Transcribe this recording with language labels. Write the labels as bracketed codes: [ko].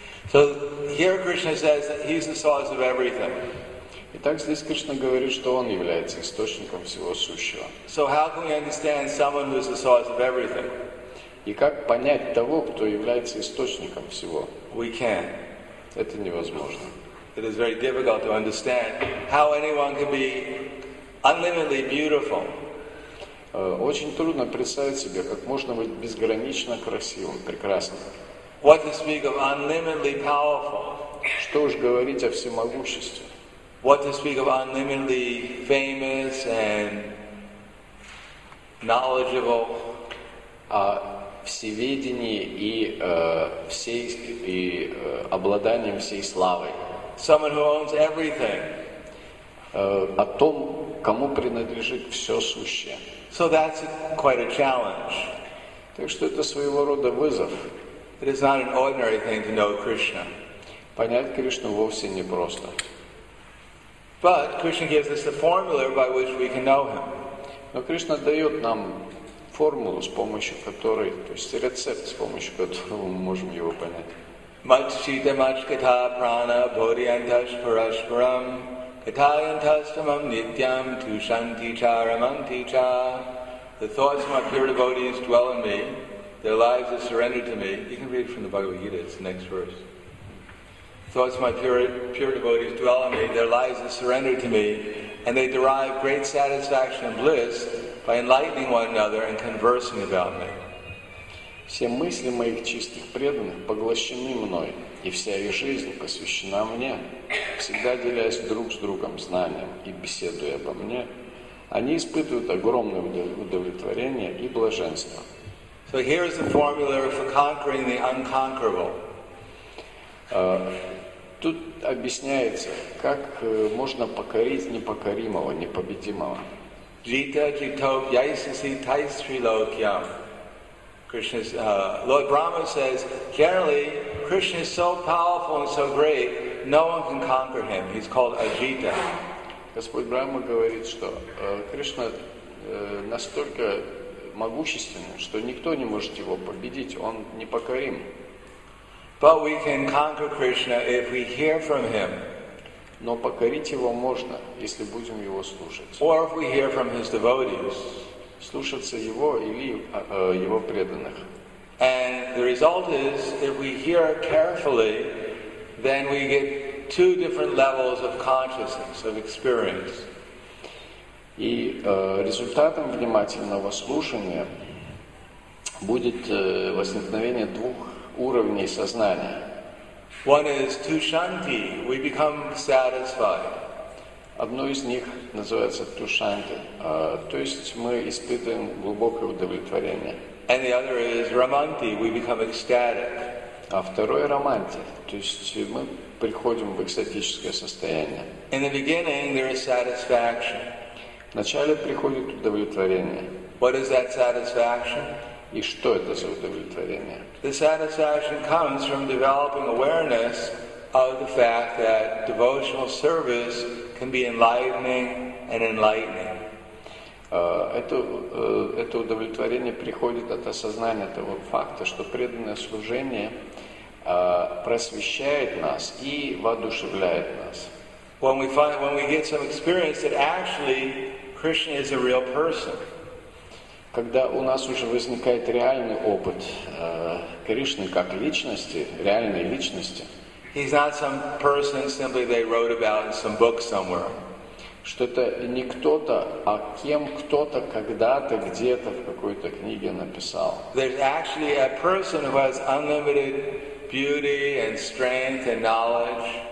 [en] So here Krishna says that he's the source of everything. [ru] Итак, здесь Кришна говорит, что он является источником всего сущего. [en] So how can we understand someone who's the source of everything? [ru] И как понять того, кто является источником всего? [en] We can. [ru] Это невозможно. [en] It is very difficult to understand how anyone can be unlimitedly beautiful. [ru] Очень трудно представить себе, как можно быть безгранично красивым, прекрасным. [en] What to speak of unlimitedly powerful? [ru] Что уж говорить о всемогуществе? [en] What to speak of unlimitedly famous and knowledgeable? [ru] О всеведении и обладанием всей славой. [en] Someone who owns everything. [ru] О том, кому принадлежит все сущее. [en] So that's quite a challenge. [ru] Так что это своего рода вызов. [en] It is not an ordinary thing to know Krishna. [ru] Понять Кришну вовсе не просто. [en] But Krishna gives us the formula by which we can know him. [ru] Но Кришна дает нам формулу, с помощью которой, то есть рецепт, с помощью которого мы можем его понять. [sa] Mach chita mach kata prana bodhyantash parashparam. Katayantastamam nityam tu shanti cha ramanti cha. [en] The thoughts of my pure devotees dwell in me. Their lives are surrendered to me. You can read from the Bhagavad Gita, it's the next verse. The thoughts of my pure devotees dwell in me. Their lives are surrendered to me. And they derive great satisfaction and bliss by enlightening one another and conversing about me. [ru] Все мысли моих чистых преданных поглощены мной, и вся их жизнь посвящена мне. Всегда делясь друг с другом знанием и беседуя обо мне, они испытывают огромное удовлетворение и блаженство. [en] So here is the formula for conquering the unconquerable. [ru] Тут объясняется, как можно покорить непокоримого, непобедимого. [sa] Jita jitop yaisasi taistri lokyam. [en] Krishna's Lord Brahma says, generally, Krishna is so powerful and so great, no one can conquer him. He's called Ajita. [ru] Господь Брахма говорит, что Кришна настолько могущественен, что никто не может его победить. Он непокорим. [en] But we can conquer Krishna if we hear from him. [ru] Но покорить его можно, если будем его слушать. [en] Or if we hear from his devotees. [ru] Слушаться его или его преданных. [en] And the result is, if we hear carefully, then we get two different levels of consciousness, of experience. [ru] И результатом внимательного слушания будет возникновение двух уровней сознания. [en] One is tushanti, we become satisfied. [ru] Одно из них называется тушанти, то есть мы испытываем глубокое удовлетворение. [en] And the other is романти, we become ecstatic. [ru] А второе романти, то есть мы приходим в экстатическое состояние. [en] In the beginning there is satisfaction. [ru] Вначале приходит удовлетворение. [en] What is that satisfaction? [ru] И что это за удовлетворение? [en] The satisfaction comes from developing awareness of the fact that devotional service can be enlightening and enlightening. [ru] Это удовлетворение приходит от осознания того факта, что преданное служение просвещает нас и воодушевляет нас. [en] When we get some experience that actually Krishna is a real person. [ru] Когда у нас уже возникает реальный опыт Кришны как личности, реальной личности. [en] He's not some person simply they wrote about in some book somewhere. [ru] Что это не кто-то, а кем кто-то когда-то где-то в какой-то книге написал. [en] There's actually a person who has unlimited beauty and strength and knowledge.